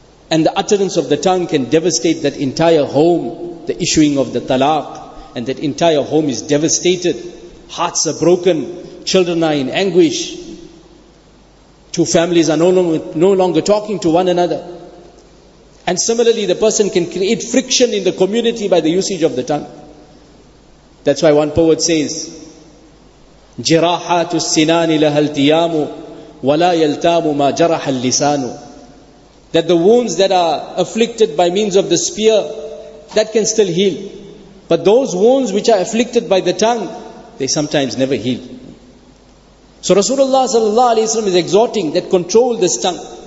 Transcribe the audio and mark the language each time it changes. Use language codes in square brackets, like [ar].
[en] And the utterance of the tongue can devastate that entire home, the issuing of the talaq, and that entire home is devastated. Hearts are broken, children are in anguish. Two families are no longer talking to one another. And similarly, the person can create friction in the community by the usage of the tongue. That's why one poet says, [ar] جِرَاحَاتُ السِّنَانِ لَهَا الْتِيَامُ وَلَا يَلْتَامُ مَا جَرَحَ اللِّسَانُ. [en] That the wounds that are afflicted by means of the spear, that can still heal. But those wounds which are afflicted by the tongue, they sometimes never heal. So Rasulullah sallallahu alaihi wasallam is exhorting that control this tongue.